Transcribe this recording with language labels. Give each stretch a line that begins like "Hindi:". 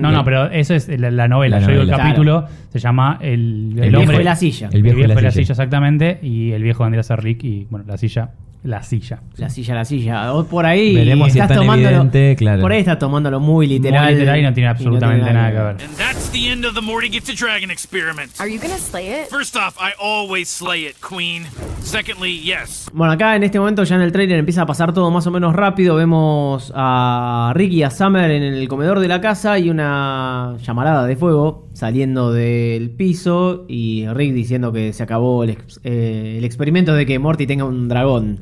Spanish: No, pero eso es la novela. La novela. Yo digo el capítulo, claro. Se llama el hombre, viejo y la silla. El viejo y la silla, exactamente. Y el viejo vendría a ser Rick y, bueno, la silla. La silla. O por ahí veremos si estás tomándolo. Por ahí estás tomándolo muy literal. Muy literal y no tiene absolutamente nada que ver.
English: And that's the end of the Morty Gets a Dragon experiment. Are you gonna slay it? First off, I always slay it, Queen. Secondly, yes.
Spanish: Bueno, acá en este momento ya en el trailer empieza a pasar todo más o menos rápido. Vemos a Rick y a Summer en el comedor de la casa y una llamarada de fuego saliendo del piso y Rick diciendo que se acabó el experimento de que Morty tenga un dragón.